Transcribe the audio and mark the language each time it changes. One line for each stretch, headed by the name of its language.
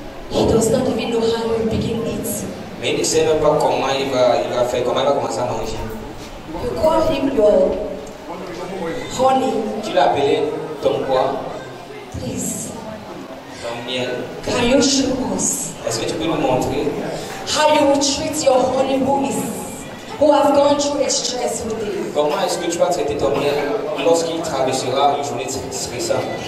English: He does not even know how he will begin it.
French: Mais il ne sait même pas comment il va faire, comment il va commencer à manger.
English: You call him your honey.
French: Tu l'as appelé ton quoi?
English: Please.
French: Ton miel.
English: Can you show us?
French: Est-ce que tu peux nous montrer?
English: How you will treat your honey who has gone through a stress with you?
French: Comment est-ce que tu vas traiter ton miel lorsqu'il traversera une journée stressante?